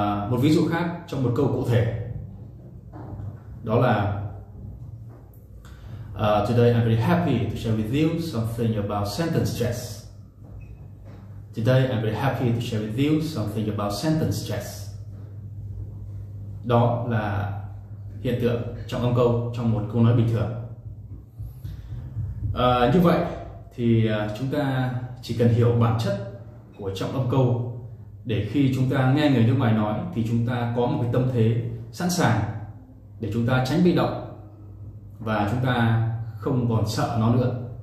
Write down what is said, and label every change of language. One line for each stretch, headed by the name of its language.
Vietnamese: Một ví dụ khác trong một câu cụ thể đó là:
English: Today I'm very happy to share with you something about sentence stress. Today I'm very happy to share with you something about sentence stress.
Vietnamese: Đó là hiện tượng trọng âm câu trong một câu nói bình thường. Như vậy thì chúng ta chỉ cần hiểu bản chất của trọng âm câu để khi chúng ta nghe người nước ngoài nói thì chúng ta có một cái tâm thế sẵn sàng để chúng ta tránh bị động và chúng ta không còn sợ nó nữa.